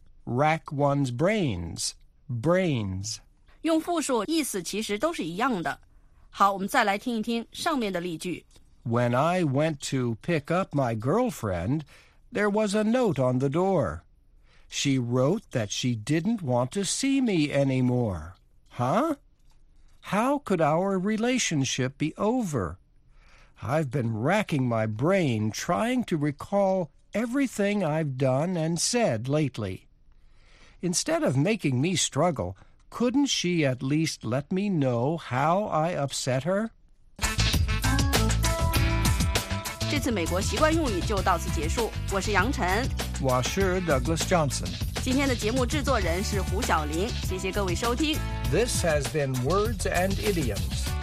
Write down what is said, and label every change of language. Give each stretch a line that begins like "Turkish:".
English: rack one's brains, brains.
Chinese: 用复数意思其实都是一样的。好,我们再来听一听上面的例句。
English: When I went to pick up my girlfriend, there was a note on the door. She wrote that she didn't want to see me anymore. Huh? How could our relationship be over? I've been racking my brain trying to recall everything I've done and said lately. Instead of making me struggle, couldn't she at least let me know how I upset her?
Chinese: 这次美国习惯用语就到此结束。我是杨晨。我是
English: Douglas Johnson.
Chinese: 今天的节目制作人是胡晓玲。谢谢各位收听。
English: This has been Words and Idioms.